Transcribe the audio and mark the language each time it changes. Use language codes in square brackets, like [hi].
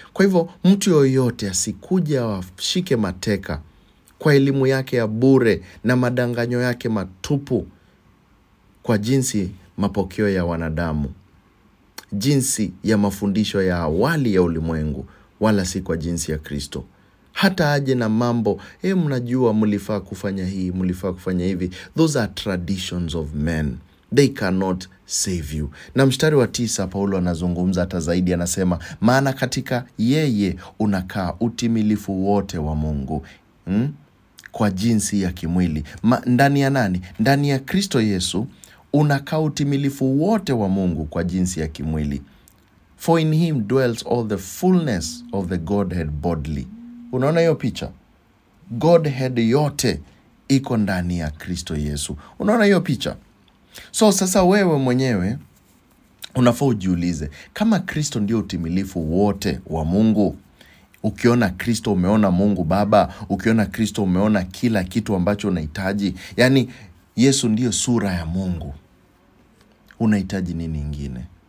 [sw] Kwa hivyo mtu yoyote asikuje washike mateka kwa elimu yake ya bure na madanganyo yake matupu, kwa jinsi mapokeo ya wanadamu, jinsi ya mafundisho ya awali ya ulimwengu, wala si kwa jinsi ya Kristo. Hata aje na mambo, mnajua mlifaa kufanya hii, mlifaa kufanya hivi. [en] Those are traditions of men. They cannot save you. [sw] Na mstari wa 9, Paulo anazungumza hata zaidi, anasema, maana katika yeye unakaa utimilifu wote wa Mungu. Kwa jinsi ya kimwili. Ndani ya nani? Ndani ya Kristo Yesu, unakaa utimilifu wote wa Mungu kwa jinsi ya kimwili. [en] For in him dwells all the fullness of the Godhead bodily. [sw] Unaona hiyo picha? Godhead yote iko ndani ya Kristo Yesu. Unaona hiyo picha? So sasa wewe mwenyewe unafaa ujiulize, kama Kristo ndio utimilifu wote wa Mungu, ukiona Kristo umeona Mungu Baba, ukiona Kristo umeona kila kitu ambacho unahitaji, yani Yesu ndio sura ya Mungu, unahitaji nini nyingine?